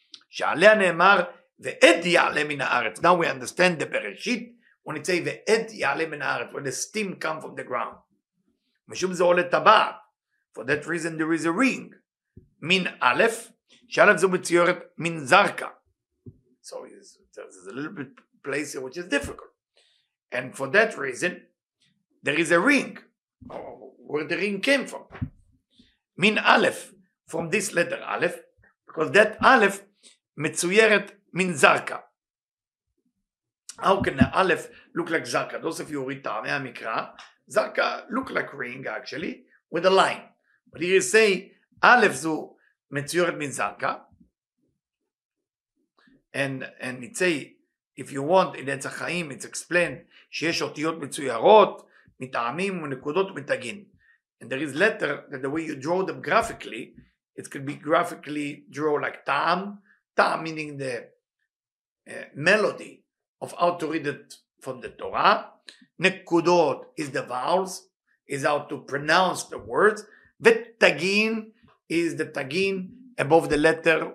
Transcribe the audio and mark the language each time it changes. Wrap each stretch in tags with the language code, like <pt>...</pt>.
<he>Sha'alea ne'emar, ועד יעלה מן הארץ.</he> <en>Now we understand the בראשית, when it say, ועד יעלה מן הארץ, when the steam comes from the ground.</en> <he>משום זה עולה טבעת.</he> <en>For that reason, there is a ring.</en> <he>מן א', שאלף זו מציורת מן זרקה.</he> <en>So there's a little bit place here, which is difficult. And for that reason, there is a ring. Where the ring came from. מן א', from this letter א', because that א',</en> <he>מצוירת מן זרקה.</he> <en>How can the Aleph look like זרקה? Those of you who read טעמי המקרא, זרקה look like ring actually, with a line. But here you say, Aleph</en> <he>זו מצוירת מן זרקה.</he> <en>And it say, if you want, in עץ החיים, it's explained,</en> <he>שיש אותיות מצוירות, מטעמים ונקודות ומתגין.</he> <en>And there is letter, that the way you draw them graphically, it could be graphically draw like טעם, טעם meaning the melody of how to read it from the Torah. Nekudot is the vowels. is how to pronounce the words. V'tagin is the tagin above the letter.</en>